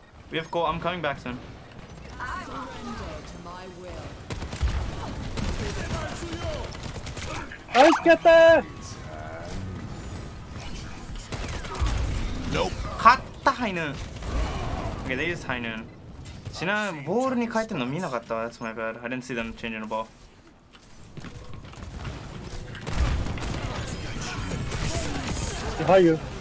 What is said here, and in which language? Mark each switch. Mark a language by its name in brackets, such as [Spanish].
[English] We have core. I'm coming back soon. アイスケット [Japanese] 勝ったハイヌン。 [English] Okay, they used ハイヌン。 [Japanese] ちなみにボールに変えてるの見なかったわ。 [English] That's my bad. I didn't see them changing the ball. Behind you.